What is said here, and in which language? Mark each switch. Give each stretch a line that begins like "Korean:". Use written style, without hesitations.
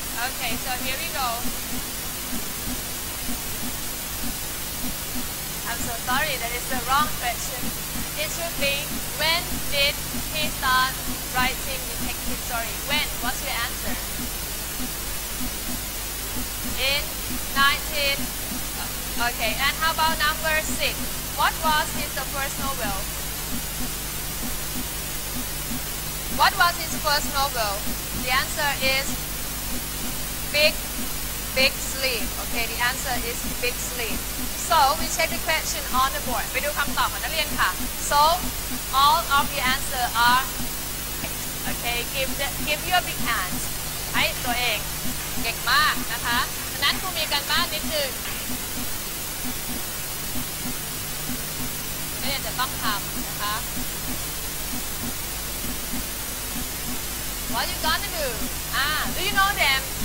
English: Okay, so here we go. I'm so sorry, that is the wrong question. It should be, when did he start writing detective story? When? What's your answer? In 19... Okay, and how about number 6? What was his first novel? What was his first novel? The answer is... Big Sleep. Okay, the answer is Big Sleep. So, we check the question on the board.
Thai: ไปดูคำตอบของนักเรียนค่ะ
English: So, all of the answer are Okay, give your big hands.
Thai: ให้ตัวเองเก่งมากนะคะฉะนั้นครูมีการบ้านนิดนึงนักเรียนจะต้องทำนะคะ
English: What are you gonna do? Do you know them?